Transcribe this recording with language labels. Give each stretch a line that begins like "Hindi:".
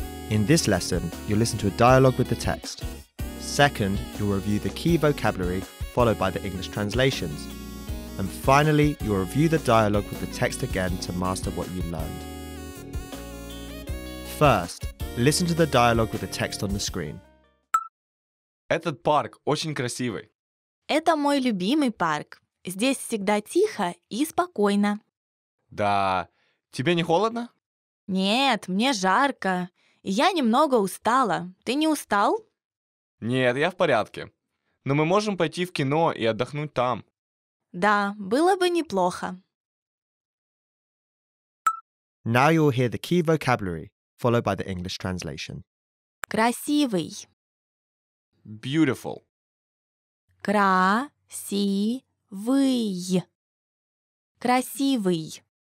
English: In this lesson, you'll listen to a dialogue with the text. Second, you'll review the key vocabulary followed by the English translations. And finally, you'll review the dialogue with the text again to master what you learned. First, listen to the dialogue with the text on the screen.
Russian: Этот парк очень красивый. Это мой любимый парк. Здесь всегда тихо и спокойно. Да, тебе не холодно? Нет, мне жарко. Я немного устала. Ты не устал? Нет, я в порядке. Но мы можем пойти в кино и отдохнуть там. Да, было бы неплохо.
English: Now you'll hear the key vocabulary, followed by the English translation.
Russian: Красивый.
English: Beautiful.
Russian: Красивый. Красивый.